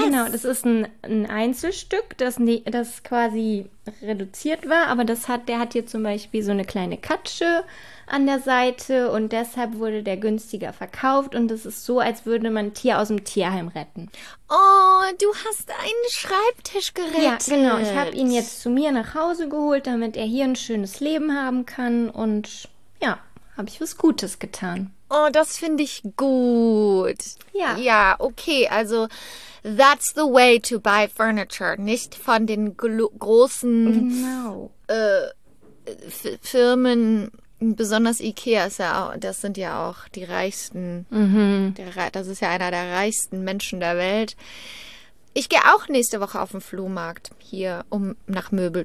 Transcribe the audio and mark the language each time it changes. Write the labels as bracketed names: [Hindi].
[German] Genau, das ist ein Einzelstück, das quasi reduziert war, aber der hat hier zum Beispiel so eine kleine Katsche an der Seite und deshalb wurde der günstiger verkauft und es ist so, als würde man ein Tier aus dem Tierheim retten. Oh, du hast einen Schreibtisch gerettet. Ja, genau. Ich habe ihn jetzt zu mir nach Hause geholt, damit er hier ein schönes Leben haben kann und ja, habe ich was Gutes getan. Oh, das finde ich gut. Ja. Ja, okay. [English] Also, that's the way to buy furniture. [German] Nicht von den großen Firmen. Besonders IKEA ist ja auch, das sind ja auch die reichsten. Das ist ja einer der reichsten Menschen der Welt. Ich gehe auch nächste Woche auf den Flohmarkt hier, um nach Möbeln